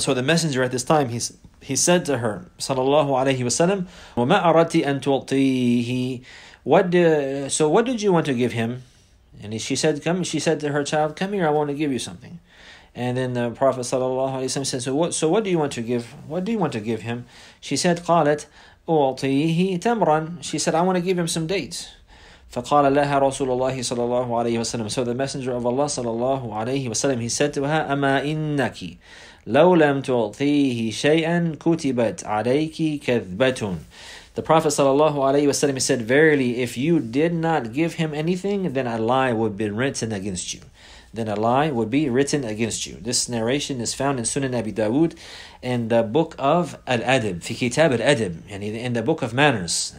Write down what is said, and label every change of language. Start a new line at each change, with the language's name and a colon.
English: So the messenger at this time, he said to her,
Arabic: صَلَى اللَّهُ عَلَيْهِ وَسَلَمْ, وَمَا أَرَدْتِ أَن تُعْطِيهِ.
English: So what did you want to give him? And she said, she said to her child, come here, I want to give you something. And then the Prophet صلى الله عليه وسلم said, so what do you want to give? What do you want to give him? She said,
Arabic: قَالَتْ أُعْطِيهِ تَمْرًا.
English: She said, I want to give him some dates.
Arabic: فَقَالَ لَهَا رَسُولُ اللَّهِ صَلَى اللَّهُ عَلَيْهِ وَسَلَمْ.
English: So the messenger of Allah
Arabic: صلى الله عليه وسلم,
English: he said to her,
Arabic: أَمَا إِنَّكِ لَوْ لَمْ تُعْطِيهِ شَيْئًا كُتِبَتْ عَلَيْكِ كَذْبَةٌ.
English: The Prophet صلى الله عليه وسلم, he said, verily, if you did not give him anything, then a lie would be written against you. then a lie would be written against you. This narration is found in Sunan Abi Dawood in the book of Al-Adab, fi Kitab Al-Adab, in the book of manners.